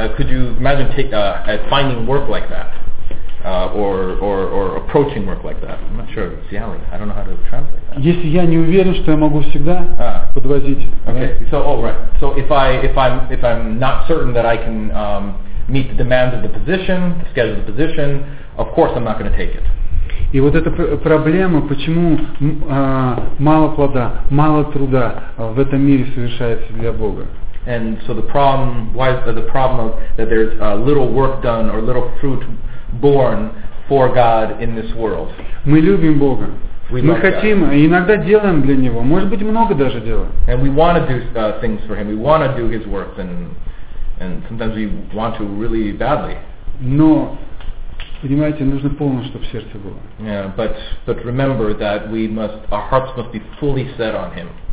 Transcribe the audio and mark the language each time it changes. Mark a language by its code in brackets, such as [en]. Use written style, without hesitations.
[en] Could you imagine finding work like that? Or approaching work like that. I'm not sure. Seattle. I don't know how to translate that. [ru] Если я не уверен, что я могу всегда подвозить. [en] Okay. Right? So, all right. So if I'm not certain that I can meet the demands of the position, the schedule of the position, of course I'm not going to take it. [ru] И вот эта проблема, почему мало плода, мало труда в этом мире совершается для Бога. [en] And so the problem, why is the problem of that there's little work done or little fruit born for God in this world. [ru] Мы любим Бога. Мы хотим, иногда делаем для него, может быть, много даже делаем. [en] And we want to do things for him. We want to do his works, and sometimes we want to really badly. [ru] Но понимаете, нужно помнить, чтобы сердце было. [en] Yeah, but remember that we must, our hearts must be fully set on him.